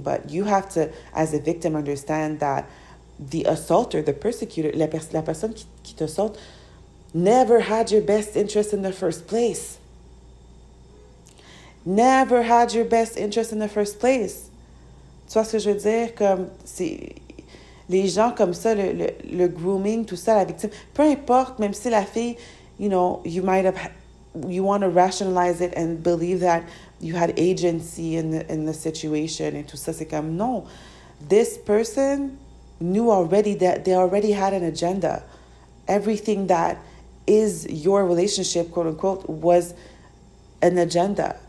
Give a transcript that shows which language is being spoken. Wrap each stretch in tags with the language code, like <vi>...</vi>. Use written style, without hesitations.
<en>But you have to, as a victim, understand that the assaulter, the persecutor,</en> <fr>la personne qui t'assaulte,</fr> <en>never had your best interest in the first place. Never had your best interest in the first place.</en> <fr>Tu vois ce que je veux dire? Comme, c'est les gens comme ça, le grooming, tout ça, la victime. Peu importe, même si la fille,</fr> <en>you know, you might have, you want to rationalize it and believe that you had agency in the situation and</en> <fr>tout ça. C'est comme, non.</fr> <en>This person knew already that they already had an agenda. Everything that is your relationship, quote unquote, was an agenda.</en>